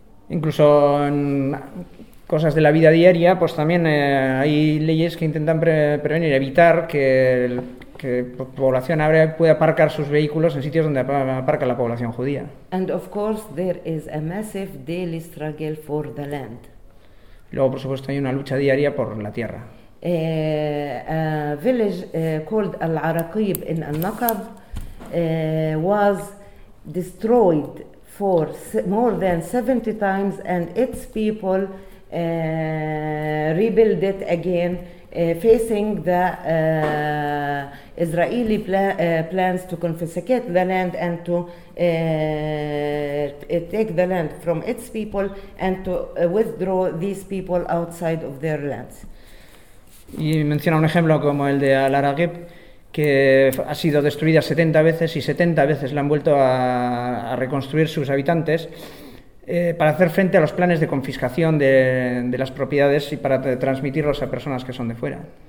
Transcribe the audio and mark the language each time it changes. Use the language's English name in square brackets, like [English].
[Spanish] Incluso en cosas de la vida diaria, pues también hay leyes que intentan prevenir, evitar que población árabe pueda aparcar sus vehículos en sitios donde aparca la población judía. [English] And of course, there is a massive daily struggle for the land. [Spanish] Luego, por supuesto, hay una lucha diaria por la tierra. [English] A village called Al Araqib in Al Naqab was destroyed for more than 70 times, and its people rebuilt it again, facing the Israeli plans to confiscate the land and to take the land from its people and to withdraw these people outside of their lands. [Spanish] Y menciona un ejemplo como el de Al Araqib, que ha sido destruida 70 veces y 70 veces la han vuelto a reconstruir sus habitantes para hacer frente a los planes de confiscación de las propiedades y para transmitirlos a personas que son de fuera.